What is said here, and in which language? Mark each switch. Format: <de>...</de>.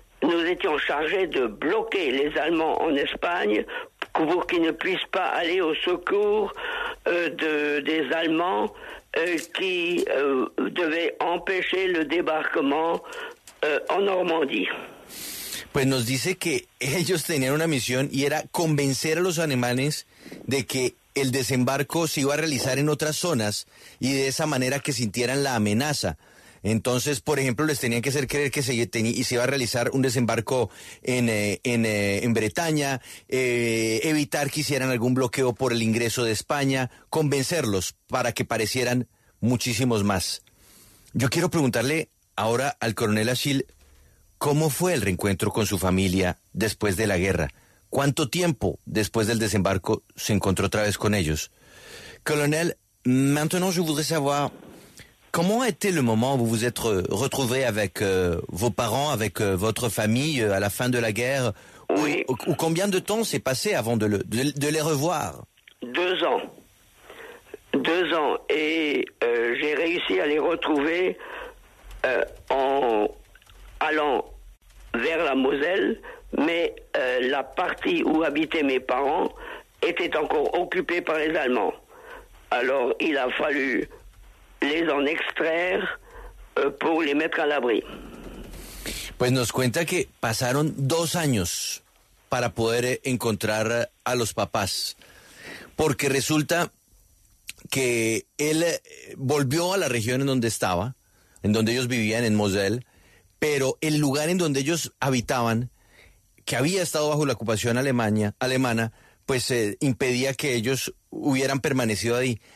<fr>nous étions chargés de bloquer les Allemands en Espagne pour qu'ils ne puissent pas aller au secours des Allemands devaient empêcher le débarquement en Normandie.</fr> <es>Pues nos dice que ellos tenían una misión y era convencer a los alemanes de que el desembarco se iba a realizar en otras zonas y de esa manera que sintieran la amenaza. Entonces, por ejemplo, les tenían que hacer creer que se iba a realizar un desembarco en Bretaña, evitar que hicieran algún bloqueo por el ingreso de España, convencerlos para que parecieran muchísimos más. Yo quiero preguntarle ahora al coronel Achill, ¿cómo fue el reencuentro con su familia después de la guerra? ¿Cuánto tiempo después del desembarco se encontró otra vez con ellos?</es> <fr>Coronel, maintenant je voudrais savoir, comment était le moment où vous vous êtes retrouvé avec vos parents, avec votre famille à la fin de la guerre? Oui. Ou combien de temps s'est passé avant de les revoir? Deux ans. Et j'ai réussi à les retrouver en allant vers la Moselle, mais la partie où habitaient mes parents était encore occupée par les Allemands. Alors il a fallu les en extraire pour les mettre à l'abri.</fr> <es>Pues nos cuenta que pasaron dos años para poder encontrar a los papás, porque resulta que él volvió a la región en donde estaba, en donde ellos vivían, en Moselle, pero el lugar en donde ellos habitaban, que había estado bajo la ocupación alemana, pues impedía que ellos hubieran permanecido ahí.</es>